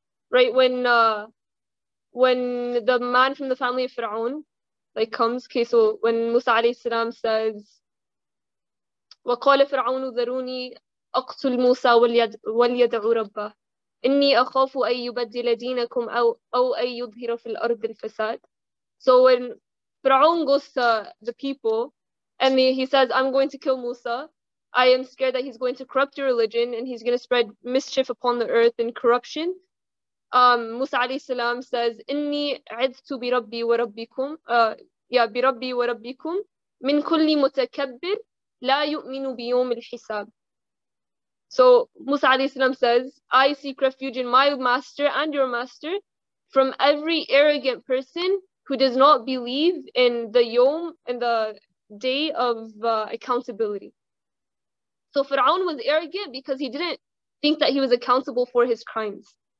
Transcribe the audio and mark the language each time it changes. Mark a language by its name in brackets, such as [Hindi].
[English] Right, when the man from the family of Fir'aun, like, comes, okay, so when Musa alayhi salam says, [Arabic] وَقَالَ فِرْعَوْنُ ذَرُونِي أَقْتُلْ مُوسَى وَلْيَدْعُ رَبَّهُ إِنِّي أَخَافُ أَن يُبَدِّلَ دِينَكُمْ أَوْ أَن يُظْهِرَ فِي الْأَرْضِ الْفَسَادِ. [English] So when Fir'aun goes to the people and he says, I'm going to kill Musa, I am scared that he's going to corrupt your religion and he's going to spread mischief upon the earth and corruption. Musa alayhi salam says, [Arabic] إِنِّي عِذْتُ بِرَبِّي وَرَبِّكُمْ بِرَبِّي وَرَبِّكُمْ مِنْ كُلِّ مُتَكَبِّرْ لَا يُؤْمِنُ بِيُومِ الْحِسَابِ. [English] So Musa alayhi salam says, I seek refuge in my master and your master from every arrogant person who does not believe in the yom, in the day of accountability. So Fir'aun was arrogant because he didn't think that he was accountable for his crimes.